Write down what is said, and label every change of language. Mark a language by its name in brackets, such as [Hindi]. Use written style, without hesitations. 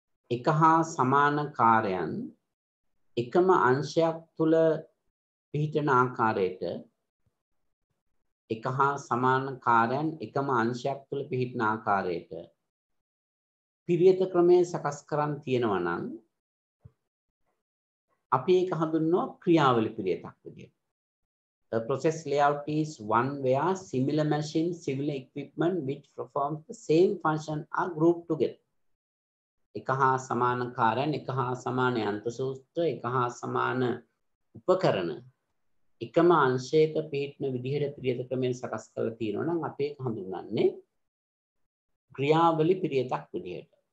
[Sinhala] එක හා සමාන කාර්යයන් එකම අංශයක් තුල පිහිටන ආකාරයට එක හා සමාන කාර්යයන් එකම අංශයක් තුල පිහිටන ආකාරයට පිරිත ක්‍රමය සකස් කරන් තියෙනවා නම් අපි ඒක හඳුන්වනවා ක්‍රියාවලි පිරිතක් විදියට. [English] The process layout is one where similar machine, similar equipment which perform the same function are grouped together. [Sinhala] එකහ සමාන කාර්යයන් එකහ සමාන යන්ත්‍ර සූත්‍ර එකහ සමාන උපකරණ එකම අංශයක පිහිටන විදිහට පිරිත ක්‍රමයෙන් සකස් කරලා තියෙනවා නම් අපි ඒක හඳුන්වන්නේ ක්‍රියාවලි පිරිතක් විදිහට.